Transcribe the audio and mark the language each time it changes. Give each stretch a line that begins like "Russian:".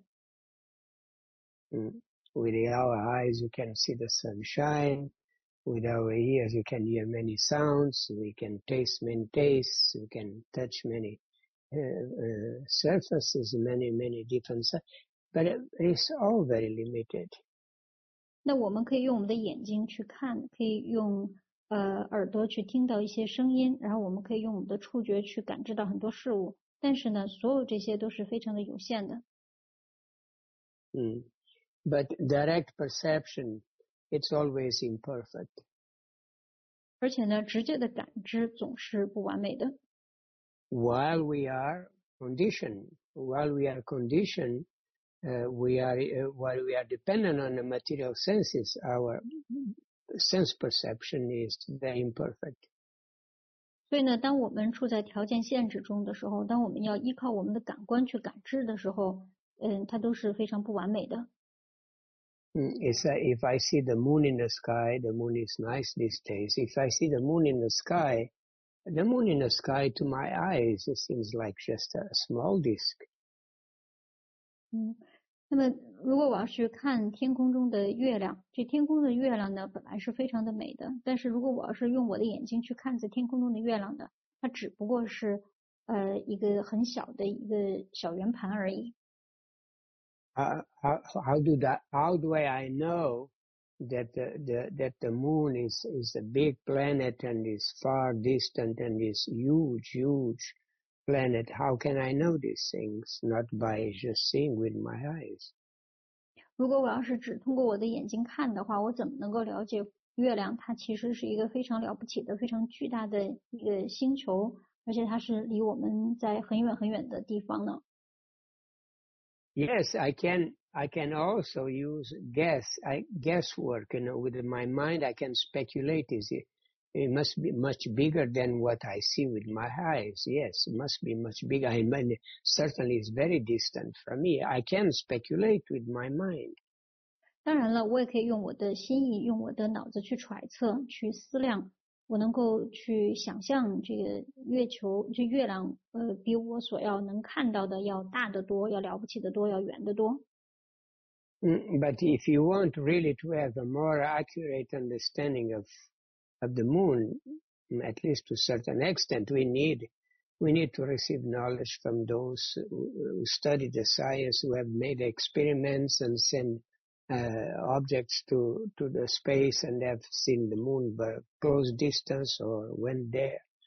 English: With our eyes you can see the sunshine, with our ears you can hear many sounds, we can taste many tastes, we can touch many surfaces, many different, but it's all very limited.
Chinese: 那我们可以用我们的眼睛去看，可以用耳朵去听到一些声音，然后我们可以用我们的触觉去感知到很多事物。但是呢，所有这些都是非常的有限的。
English: But direct perception, it's always imperfect.
Chinese: 而且呢，直接的感知总是不完美的。
English: While we are conditioned, while we are dependent on the material senses, our sense perception is very imperfect.
Chinese: 所以呢，当我们处在条件限制中的时候，当我们要依靠我们的感官去感知的时候，它都是非常不完美的。
English: If I see the moon in the sky, the moon is nice these days. If I see the moon in the sky, the moon in the sky to my eyes, it seems like just a small disk.
Chinese: 那么如果我要去看天空中的月亮，这天空的月亮呢本来是非常的美的，但是如果我要是用我的眼睛去看着天空中的月亮呢，它只不过是一个很小的一个小圆盘而已。
English: How do I know that the moon is a big planet and is far distant and is huge planet? How can I know these things? Not by just seeing with my eyes.
Chinese: 如果我要是只通过我的眼睛看的话，我怎么能够了解月亮？它其实是一个非常了不起的、非常巨大的一个星球，而且它是离我们在很远很远的地方呢。
English: Yes, I can also use guesswork. You know, with my mind, I can speculate. It must be much bigger than what I see with my eyes. Yes, it must be much bigger. I mean, certainly it's very distant from me. I can speculate with my mind.
Chinese: 当然了，我也可以用我的心意，用我的脑子去揣测，去思量。我能够去想象这个月球，这月亮，比我所要能看到的要大得多，要了不起得多，要圆得多。
English: But if you want really to have a more accurate understanding of the moon, at least to a certain extent, we need to receive knowledge from those who study the science, who have made experiments and send objects to the space and have seen the moon by close distance or went there.